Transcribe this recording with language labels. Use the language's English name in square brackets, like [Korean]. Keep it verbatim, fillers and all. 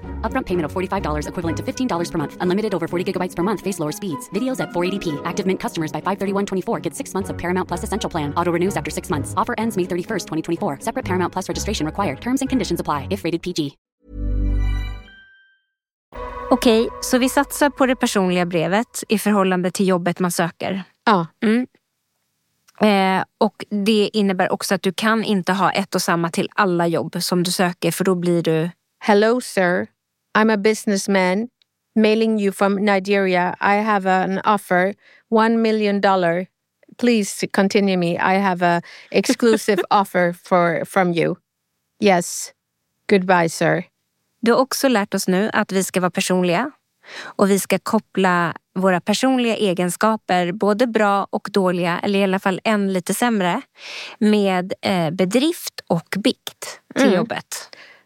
[English] Upfront payment of forty-five dollars equivalent to fifteen dollars per month. Unlimited over forty gigabytes per month. Face lower speeds. Videos at four eighty p. Active Mint customers by five thirty-one twenty-four get six months of Paramount Plus Essential Plan. Auto renews after six months. Offer ends May thirty-first, twenty twenty-four. Separate Paramount Plus registration required. Terms and conditions apply if rated P G. [Swedish] Okej, okay, så vi satsar på det personliga brevet i förhållande till jobbet man söker. Ja. Mm. Eh, och det innebär också att du kan inte ha ett och samma till alla jobb som du söker, för då blir du [English] Hello sir, I'm a businessman mailing you from Nigeria. I have an offer, one million dollar. Please continue me. I have a exclusive offer for, from you. Yes, goodbye sir. [Swedish] Du har också lärt oss nu att vi ska vara personliga. Och vi ska koppla våra personliga egenskaper, både bra och dåliga, eller i alla fall en lite sämre, med eh, bedrift och bikt till mm. jobbet.